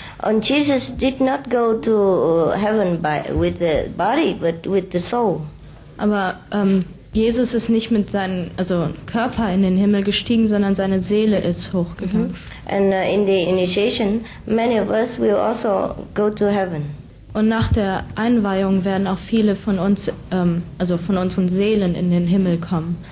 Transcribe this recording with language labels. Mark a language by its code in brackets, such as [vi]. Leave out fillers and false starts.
[en] And Jesus did not go to heaven with the body, but with the soul. [de] Aber Jesus ist nicht mit seinem Körper in den Himmel gestiegen, sondern seine Seele ist hochgegangen. Mm-hmm. [en] And in the initiation, many of us will also go to heaven. [de] Und nach der Einweihung werden auch viele von uns, von unseren Seelen in den Himmel kommen.